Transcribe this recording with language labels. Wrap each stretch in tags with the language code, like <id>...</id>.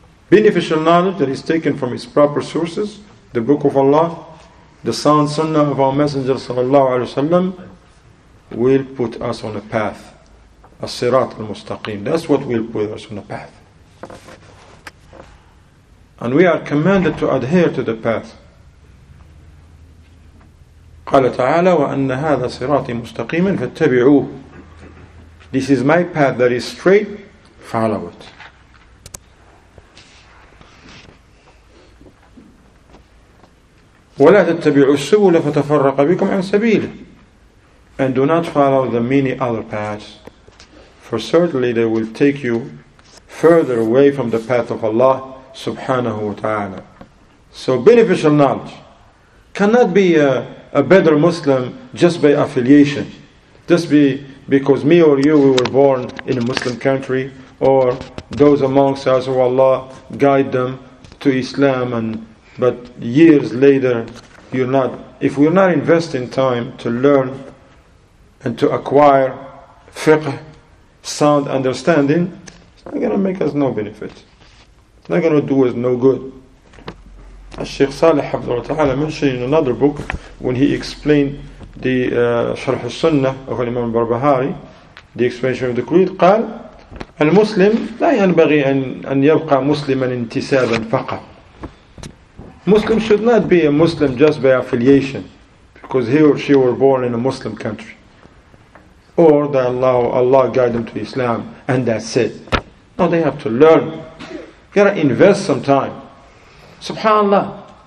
<en>Beneficial knowledge that is taken from its proper sources, the Book of Allah, the sound Sunnah of our Messenger sallallahu alaihi wasallam, will put us on a path, as-sirat al-mustaqim. That's what will put us on a path, and we are commanded to adhere to the path.</en> <ar>قال تعالى وأن هذا صراطي مستقيما فاتبعوه.</ar> <en>This is my path that is straight, follow it.</en> <ar>ولا تتبعوا السبل فتفرق بكم عن سبيله.</ar> <en>And do not follow the many other paths, for certainly they will take you further away from the path of Allah subhanahu wa ta'ala. So beneficial knowledge cannot be a better Muslim just by affiliation, just because me or you, we were born in a Muslim country, or those amongst us who Allah guide them to Islam, but years later, if we're not investing time to learn and to acquire fiqh, sound understanding, it's not going to make us no benefit. It's not going to do us no good. Sheikh Saleh Hafizullah Ta'ala mentioned in another book, when he explained the Sharh al-Sunnah of Imam al-Barbahari, the explanation of the creed, قال,</en> <ar>المسلم لا ينبغي أن يبقى مسلما انتسابا فقط.</ar> <en>Muslim should not be a Muslim just by affiliation, because he or she were born in a Muslim country, or that Allah guide them to Islam and that's it. No, they have to learn. You gotta invest some time. Subhanallah.</en>